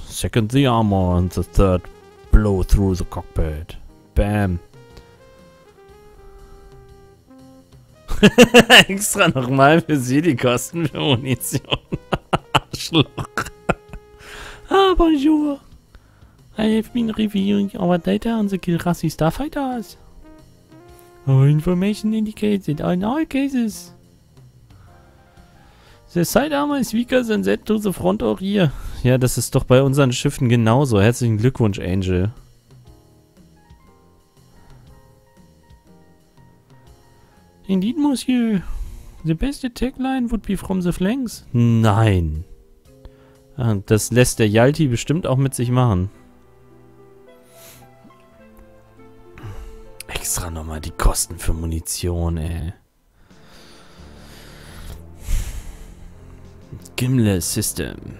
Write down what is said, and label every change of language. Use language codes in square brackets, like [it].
[en] Second the armor and the third blow through the cockpit. Bam. [de] Extra nochmal für sie die Kosten für Munition. Arschloch. Ah, bonjour. [en] I have been reviewing our data on the Kilrathi Starfighters. Our information indicates that in all cases, the side armor is weaker than that to the front or rear. [de] Ja, das ist doch bei unseren Schiffen genauso. Herzlichen Glückwunsch, Angel. [en] Indeed, monsieur. The best attack line would be from the flanks. [de] Nein. Das lässt der Yalti bestimmt auch mit sich machen. Extra nochmal die Kosten für Munition, ey. [en] Gimle System.